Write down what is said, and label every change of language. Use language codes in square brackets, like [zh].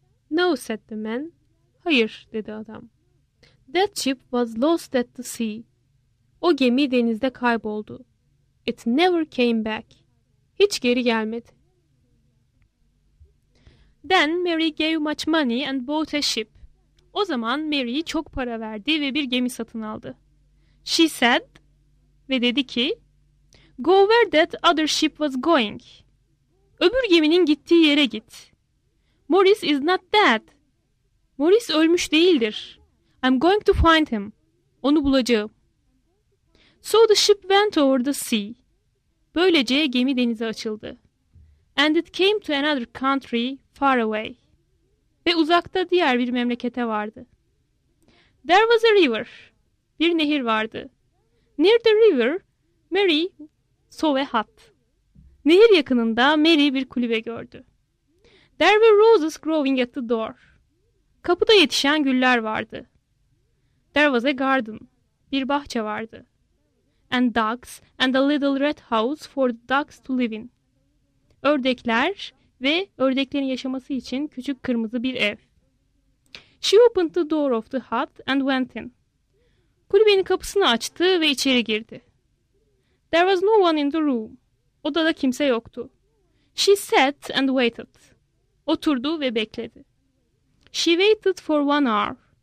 [en] No, said the man. [tr] Hayır, dedi adam. [en] That ship was lost at the sea. [tr] O gemi denizde kayboldu. [en] It never came back. [tr] Hiç geri gelmedi. [en] Then Mary gave much money and bought a ship. [tr] O zaman Mary çok para verdi ve bir gemi satın aldı. [en] She said [tr] ve dedi ki, [en] Go where that other ship was going. [tr] Öbür geminin gittiği yere git. [en] Maurice is not dead. [tr] Maurice ölmüş değildir. [en] I'm going to find him. [tr] Onu bulacağım. [en] So the ship went over the sea. [tr] Böylece gemi denize açıldı. [en] And it came to another country far away. [tr] Ve uzakta diğer bir memlekete vardı. [en] There was a river. [tr] Bir nehir vardı. [en] Near the river, Mary saw a hut. [tr] Nehir yakınında Mary bir kulübe gördü. [en] There were roses growing at the door. [tr] Kapıda yetişen güller vardı. [en] There was a garden. [tr] Bir bahçe vardı. [en] And ducks and a little red house for the ducks to live in. [tr] Ördekler ve ördeklerin yaşaması için küçük kırmızı bir ev. [en] She opened the door of the hut and went in. [tr] Kulübenin kapısını açtı ve içeri girdi. [en] There was no one in the room. [tr] Odada kimse yoktu. [en] She sat and waited. [tr] Oturdu ve bekledi. [en] She waited for 1 hour.